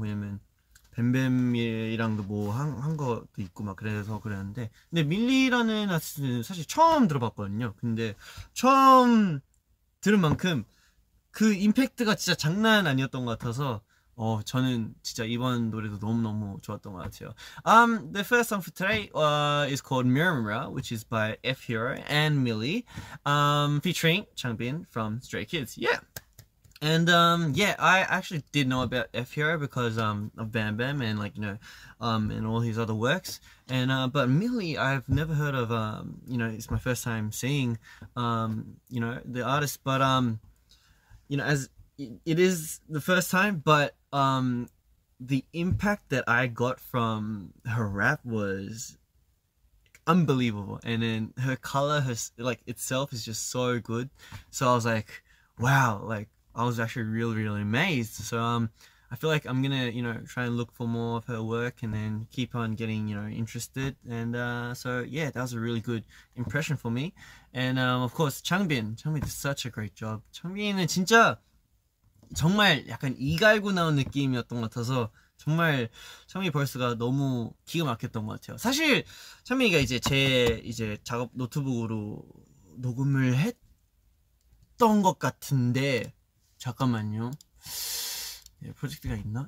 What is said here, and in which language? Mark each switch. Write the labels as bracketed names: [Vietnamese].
[Korean] 왜냐면, 뱀뱀이랑도 뭐 한 것도 있고 막 그래서 그랬는데, 근데 밀리라는 아티스트는 사실 처음 들어봤거든요. 근데 처음 들은 만큼, 그 임팩트가 진짜 장난 아니었던 것 같아서, 저는 진짜 이번 노래도 너무너무 좋았던 것 같아요. [English] The first song for today is called Mirror Mirror, which is by F.E.R. and Millie, featuring Changbin from Stray Kids. Yeah! And yeah, I actually did know about F.E.R. because of Bam Bam and, like, you know, and all his other works. And but Millie, I've never heard of, you know, it's my first time seeing, you know, the artist, but, you know, as it is the first time, but the impact that I got from her rap was unbelievable. And then her color, her, like, itself is just so good. So I was like, wow, like, I was actually really, really amazed. So I feel like I'm gonna, you know, try and look for more of her work and then keep on getting, you know, interested. And so yeah, that was a really good impression for me. And of course, Changbin did such a great job. [Korean] Changbin은 진짜 정말 약간 이갈고 나온 느낌이었던 것 같아서 정말 창민 벌스가 너무 기가 막혔던 것 같아요. 사실 창민이가 이제 제 이제 작업 노트북으로 녹음을 했던 것 같은데, 잠깐만요. 네, 프로젝트가 있나?